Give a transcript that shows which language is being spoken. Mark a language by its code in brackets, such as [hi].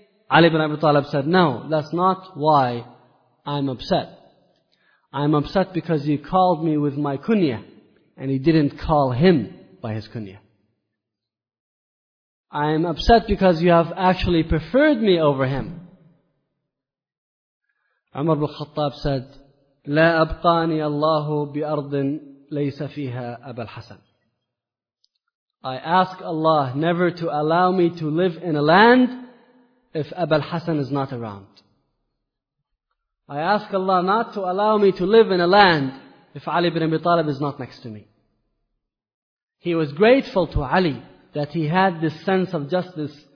[en] Ali ibn Abi Talib said, No, that's not why I'm upset. I'm upset because you called me with my kunya, and he didn't call him by his kunya. I'm upset because you have actually preferred me over him. [ar] Umar ibn Khattab [en] said, [ar] لا أبقاني الله بأرض ليس فيها أبا الحسن. [en] I ask Allah never to allow me to live in a land if Abu al-Hasan is not around. I ask Allah not to allow me to live in a land if Ali ibn Abi Talib is not next to me. He was grateful to Ali that he had this sense of justice.